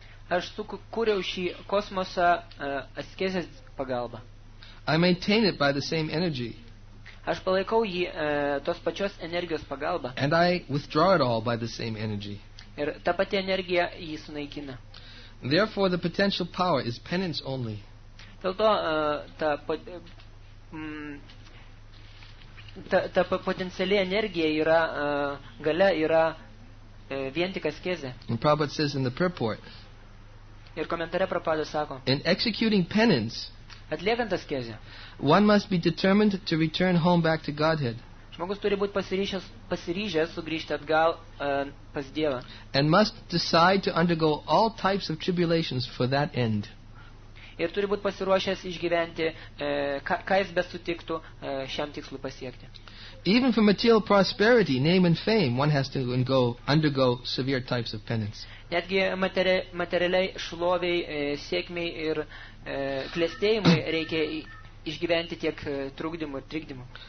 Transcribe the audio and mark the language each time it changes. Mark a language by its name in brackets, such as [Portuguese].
[Lithuanian] Aš sukūriau šį kosmosą askezės pagalba. [English] I maintain it by the same energy. [Lithuanian] Aš palaikau jį tos pačios energijos pagalba. [English] And I withdraw it all by the same energy. [Lithuanian] Ir ta pati energija jį sunaikina. [English] Therefore, the potential power is penance only. [Lithuanian] Dėl to ta pati Ta potenciali energija yra galia yra vien tik askezė. [English] And Prabhupada says in the purport. [Lithuanian] Ir komentare Prabhupada sako. [English] In executing penance. [Lithuanian] Atliekant askezę. [English] One must be determined to return home back to Godhead. [Lithuanian] Žmogus turi būti pasiryžęs sugrįžti atgal pas Dievą. [English] And must decide to undergo all types of tribulations for that end. [Lithuanian] Ir turi būti pasiruošęs išgyventi, ką jis besutiktų šiam tikslui pasiekti. [English] Even for material prosperity, name and fame, one has to undergo severe types of penance. [Lithuanian] Netgi materialiai šloviai, sėkmei ir klestėjimui reikia išgyventi tiek trukdymų ir trikdymų.